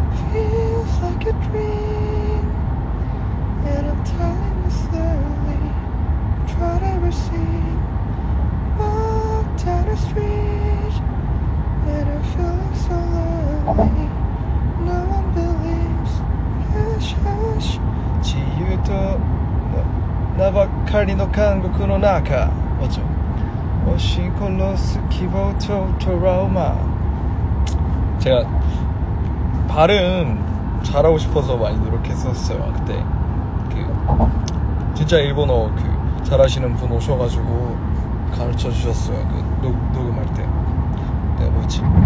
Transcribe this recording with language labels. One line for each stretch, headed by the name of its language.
English: Feels like a dream and I'm telling you slowly what I've ever seen. Walked down a street and I'm feeling so lonely. No one believes. Hush, hush.
Japanese: 自由と名ばかりの監獄の中。もちろん。押し殺す希望とトラウマ。
Korean: 제가 발음 잘하고 싶어서 많이 노력했었어요. 그때 그 진짜 일본어 그 잘하시는 분 오셔가지고 가르쳐 주셨어요. 그 녹음할 때. 내가 뭐였지?